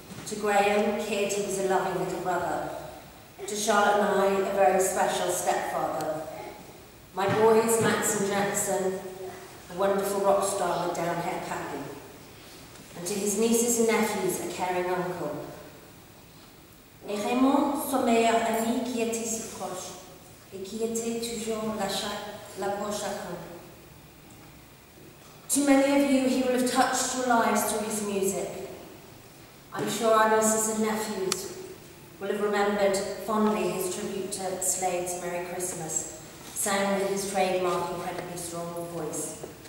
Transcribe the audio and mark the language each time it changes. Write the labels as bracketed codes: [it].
[en] To Graham, kid, he was a loving little brother. To Charlotte and I, a very special stepfather. My boys, Max and Jackson, a wonderful rock star with down hair Pappy. And to his nieces and nephews, a caring uncle. [fr] Et Raymond, son meilleur ami qui était si proche, et qui était toujours la poche à coup. [en] To many of you, he will have touched your lives through his music. I'm sure our nieces and nephews will have remembered fondly his tribute to Slade's Merry Christmas, sang with his trademark incredibly strong voice.